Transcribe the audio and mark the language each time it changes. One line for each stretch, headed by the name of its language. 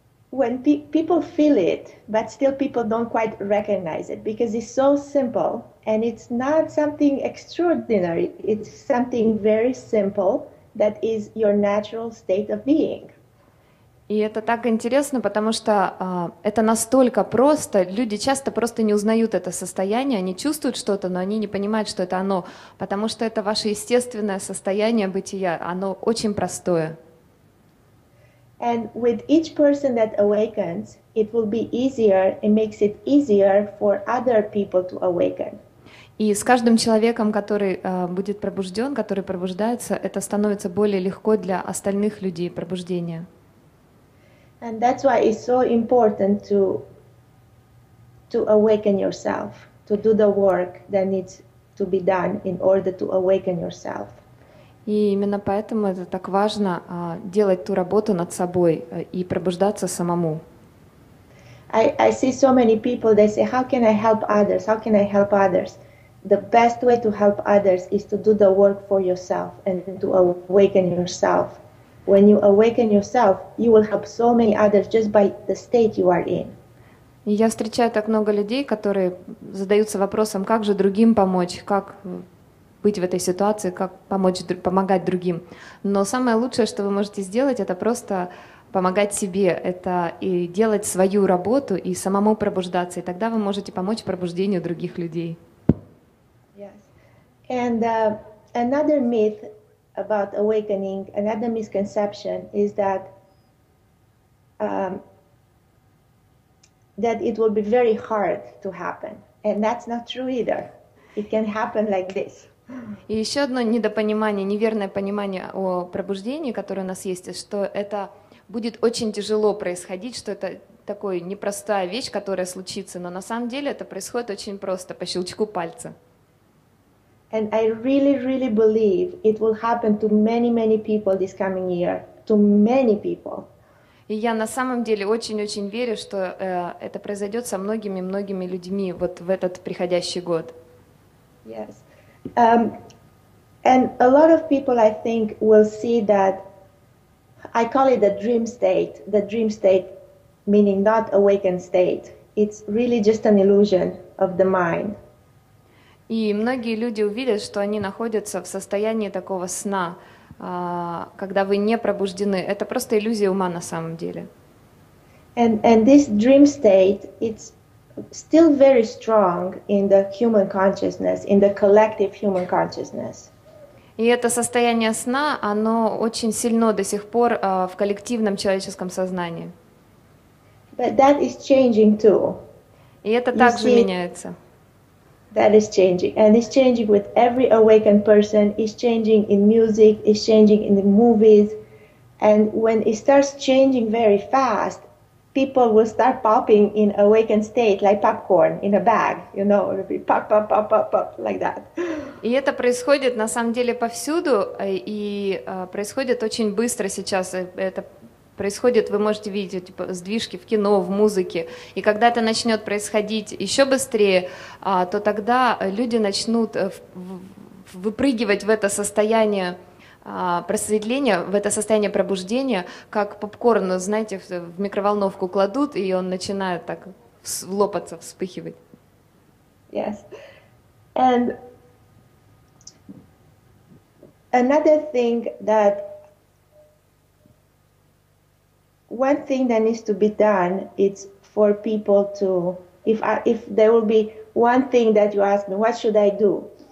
English: When people feel it, but still people don't quite recognize it because it's so simple. And it's not something extraordinary. It's something very simple that is your natural state of being.
Russian: И это так интересно, потому что это настолько просто, люди часто просто не узнают это состояние, они чувствуют что-то, но они не понимают, что это оно, потому что это ваше естественное состояние бытия, оно очень простое.
English: And with each person that awakens, it will be easier, it makes it easier for other people to awaken.
Russian: И с каждым человеком, который будет пробужден, который пробуждается, это становится более легко для остальных людей пробуждения.
English: And that's why it's so important to awaken yourself, to do the work that needs to be done in order to awaken yourself.
Russian: И именно поэтому это так важно, делать ту работу над собой, и пробуждаться самому.
English: I see so many people, they say, how can I help others? How can I help others? The best way to help others is to do the work for yourself and to awaken yourself. When you awaken yourself, you will help so many others just by the state you are in.
Russian: И я встречаю так много людей, которые задаются вопросом, как же другим помочь, как быть в этой ситуации, как помогать другим. Но самое лучшее, что вы можете сделать, это просто помогать себе, это и делать свою работу, и самому пробуждаться, и тогда вы можете помочь пробуждению других людей.
English: And another myth about awakening, another misconception is that it will be very hard to happen. And that's not true either. It can happen like this.
Russian: И еще одно недопонимание, неверное понимание о пробуждении, которое у нас есть, что это будет очень тяжело происходить, что это такая непростая вещь, которая случится, но на самом деле это происходит очень просто, по щелчку пальца.
English: And I really believe it will happen to many people this coming year, to many people.
Russian: И я на самом деле очень-очень верю, что это произойдет со многими-многими людьми вот в этот приходящий год.
English: Yes. And a lot of people, I think, will see that I call it the dream state meaning not awakened state. It's really just an illusion of the mind.
Russian: И многие люди увидят, что они находятся в состоянии такого сна, когда вы не пробуждены. Это просто иллюзия ума на самом деле.
English: And this dream state, it's still very strong in the human consciousness, in the collective human consciousness.
Russian: И это состояние сна, оно очень сильно до сих пор в коллективном человеческом сознании.
English: But that is changing too.
Russian: И это также меняется.
English: That is changing, and it's changing with every awakened person. It's changing in music. It's changing in the movies. And when it starts changing very fast, people will start popping in awakened state like popcorn in a bag. You know, it'll be pop, pop, pop, pop, pop like that.
Russian: И это происходит на самом деле повсюду, и происходит очень быстро сейчас. Это происходит, вы можете видеть, типа, сдвижки в кино, в музыке. И когда это начнет происходить еще быстрее, то тогда люди начнут выпрыгивать в это состояние просветления, в это состояние пробуждения, как попкорн, знаете, в микроволновку кладут, и он начинает так лопаться, вспыхивать.
English: Yes. And another thing that one thing that needs to be done is for people to, if there will be one thing that you ask me, what should I do?